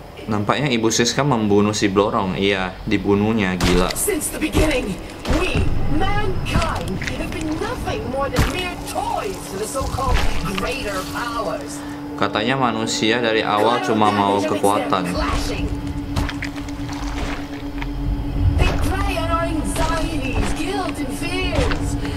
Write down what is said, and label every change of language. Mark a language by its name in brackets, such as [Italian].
[Indonesian] Nampaknya Ibu Siska membunuh si blorong. Iya, dibunuhnya, gila. [English] Since the beginning, we mankind have been nothing more than mere toys to the so-called greater powers. [Indonesian] Katanya manusia dari awal cuma mau kekuatan. [English] They prey on our anxieties, guilt and fears.